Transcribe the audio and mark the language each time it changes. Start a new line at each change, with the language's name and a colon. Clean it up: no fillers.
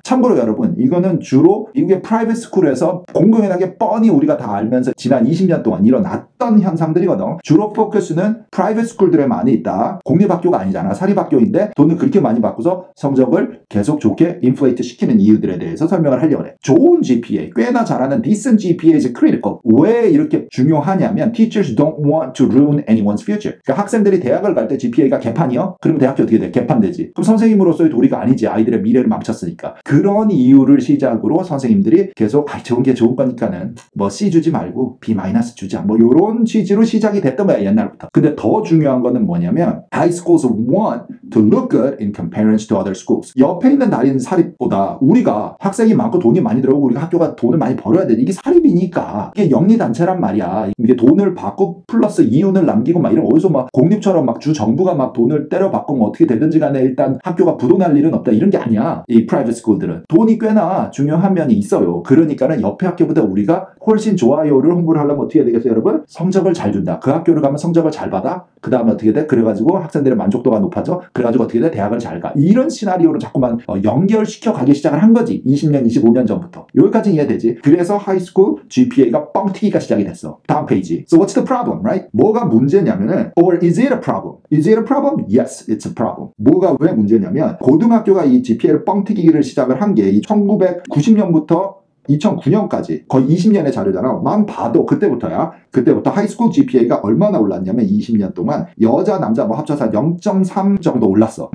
Korean: 참고로 여러분 이거는 주로 미국의 private school에서 공공연하게 뻔히 우리가 다 알면서 지난 20년 동안 일어났던 현상들이거든. 주로 포커스는 private school들에 많이 있다. 공립학교가 아니잖아. 사립학교인데 돈을 그렇게 많이 받고서 성적을 계속 좋게 inflate 시키는 이유들에 대해서 설명을 하려고 해. 좋은 GPA, 꽤나 잘하는
English: decent GPA is critical.
Korean: 왜 이렇게 중요하냐면
English: teachers don't want to ruin anyone's future.
Korean: 그러니까 학생들이 대학을 갈 때 GPA가 개판이요? 그러면 대학교 어떻게 돼? 개판되지. 그럼 선생님으로서의 도리가 아니지. 아이들의 미래를 망쳤으니까. 그런 이유를 시작으로 선생님들이 계속 좋은 게 좋은 거니까는 뭐 C 주지 말고 B- 주자 뭐 이런 취지로 시작이 됐던 거야 옛날부터. 근데 더 중요한 거는 뭐냐면
English: high schools want to look good in comparison to other schools.
Korean: 옆에 있는 다른 사립보다 우리가 학생이 많고 돈이 많이 들어오고 우리가 학교가 돈을 많이 벌어야 돼. 이게 사립이니까 이게 영리 단체란 말이야. 이게 돈을 받고 플러스 이윤을 남기고 막 이런 어디서 막 공립처럼 막 주 정부가 막 돈을 때려 받고 뭐 어떻게 되든지 간에 일단 학교가 부도날 일은 없다 이런 게 아니야. 이 private school들은 돈이 꽤나 중요한 면이 있어요. 그러니까는 옆에 학교보다 우리가 훨씬 좋아요를 홍보를 하려면 어떻게 해야 되겠어요, 여러분? 성적을 잘 준다. 그 학교를 가면 성적을 잘 받아? 그 다음에 어떻게 돼? 그래가지고 학생들의 만족도가 높아져? 그래가지고 어떻게 돼? 대학을 잘 가. 이런 시나리오로 자꾸만 연결시켜 가기 시작을 한 거지. 20년, 25년 전부터. 여기까지 이해되지? 그래서 하이스쿨 GPA가 뻥튀기가 시작이 됐어. 다음 페이지.
English: So what's the problem, right?
Korean: 뭐가 문제냐면은
English: Or is it a problem? Is it a problem? Yes, it's a problem.
Korean: 뭐가 왜 문제냐면 고등학교가 이 GPA를 뻥튀기를 시작을 한 게 1990년부터 2009년까지 거의 20년의 자료잖아. 만 봐도 그때부터야. 그때부터 하이스쿨 GPA가 얼마나 올랐냐면 20년 동안 여자 남자 뭐 합쳐서 0.3 정도 올랐어.